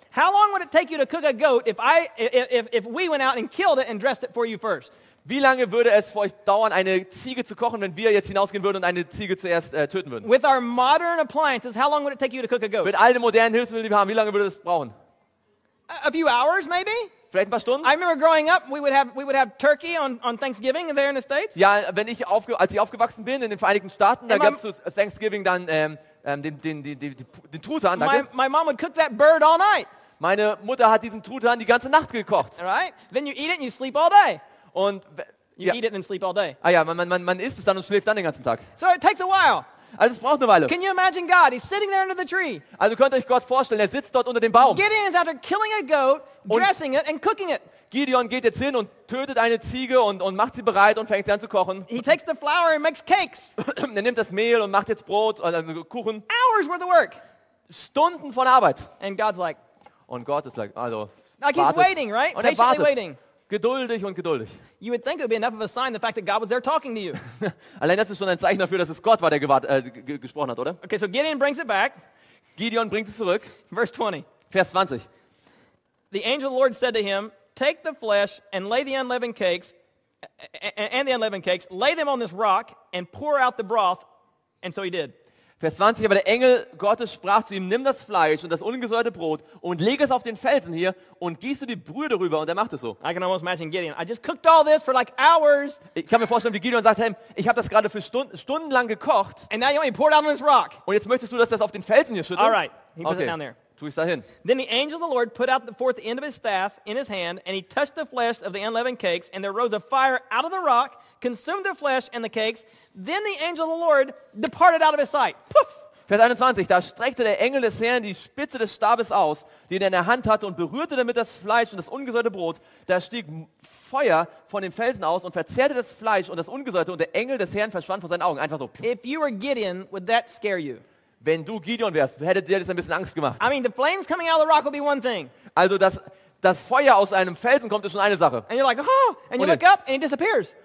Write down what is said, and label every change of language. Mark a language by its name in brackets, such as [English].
[English] How long would it take you to cook a goat if we went out and killed it and dressed it for you first? [German] Wie lange würde es für euch dauern, eine Ziege zu kochen, wenn wir jetzt hinausgehen würden und eine Ziege zuerst töten würden? [English] With our modern appliances, how long would it take you to cook a goat? [German] Mit all den modernen Hilfsmitteln, die wir haben, wie lange würde das brauchen? [English] A few hours, maybe. [German] Vielleicht ein paar Stunden. [English] I remember growing up, we would have turkey on Thanksgiving there in the States. [German] Ja, wenn ich als ich aufgewachsen bin in den Vereinigten Staaten, da gab es Thanksgiving dann. Den Truthahn, danke. [English] My mom would cook that bird all night. [German] Meine Mutter hat diesen Truthahn die ganze Nacht gekocht. [English] Right? Then you eat it and you sleep all day. [German] Und [English] eat it and sleep all day. [German] Ah ja, man isst es dann und schläft dann den ganzen Tag. [English] So it takes a while. [German] Also es braucht eine Weile. [English] Can you imagine God? He's sitting there under the tree. [German] Also könnt ihr euch Gott vorstellen, er sitzt dort unter dem Baum. [English] Gideon is after killing a goat, dressing it and cooking it. [German] Gideon geht jetzt hin und tötet eine Ziege und macht sie bereit und fängt sie an zu kochen. [English] He takes the flour and makes cakes. [German] Er nimmt das Mehl und macht jetzt Brot oder Kuchen. [English] Hours worth of work. [German] Stunden von Arbeit. [English] And God's like, [German] und Gott ist like, also, [English] like he's waiting, right? [German] Und er wartet. Waiting. Geduldig und geduldig. [English] You would think it would be enough of a sign the fact that God was there talking to you. [German] Allein das ist schon ein Zeichen dafür, dass es Gott war, der gesprochen hat, oder? [English] Okay, so Gideon brings it back. [German] Gideon bringt es zurück. [English] Verse 20. [German] Vers 20. [English] The angel of the Lord said to him, take the flesh and lay the unleavened cakes and the unleavened cakes, lay them on this rock and pour out the broth. And so he did. [German] Vers 20, aber der Engel Gottes sprach zu ihm, nimm das Fleisch und das ungesäuerte Brot und leg es auf den Felsen hier und gieße die Brühe darüber. Und er macht es so. [English] I can almost imagine Gideon. I just cooked all this for like hours. [German] Ich kann mir vorstellen, wie Gideon sagt, hey, ich habe das gerade für stundenlang gekocht. [English] And now you want me to pour it out on this rock. [German] Und jetzt möchtest du, dass das auf den Felsen hier schüttet? [English] All right, he puts it down there. Then the angel of the Lord put out the fourth end of his staff in his hand, and he touched the flesh of the unleavened cakes, and there rose a fire out of the rock, consumed the flesh and the cakes. Then the angel of the Lord departed out of his sight. Puff. [German] Vers 21, da streckte der Engel des Herrn die Spitze des Stabes aus, den er in der Hand hatte, und berührte damit das Fleisch und das ungesäuerte Brot. Da stieg Feuer von dem Felsen aus und verzehrte das Fleisch und das ungesäuerte, und der Engel des Herrn verschwand vor seinen Augen. Einfach so. [English] If you were Gideon, would that scare you? [German] Wenn du Gideon wärst, hätte dir das ein bisschen Angst gemacht. [English] I mean, the flames coming out of the rock would be one thing. [German] Also das Feuer aus einem Felsen kommt, ist schon eine Sache. [English] And you're like, oh, and you look up and it disappears.